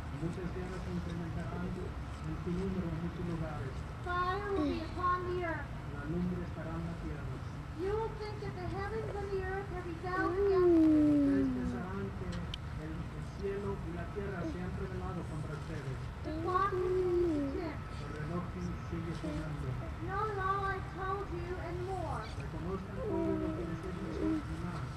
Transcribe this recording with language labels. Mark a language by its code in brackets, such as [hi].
[es] Muchas tierras incrementarán en su número en muchos lugares. [en] Fire will be upon the earth. [es] La lumbre estará en la tierra. [en] You will think that the heavens and the earth have rebelled against you. [es] El cielo y la tierra se han rebelado contra ustedes. [en] The clock continues to tick. [es] El reloj sigue sonando. [en] Know it all I've told you and more. [es] Reconozcan todo lo que les he dicho y más.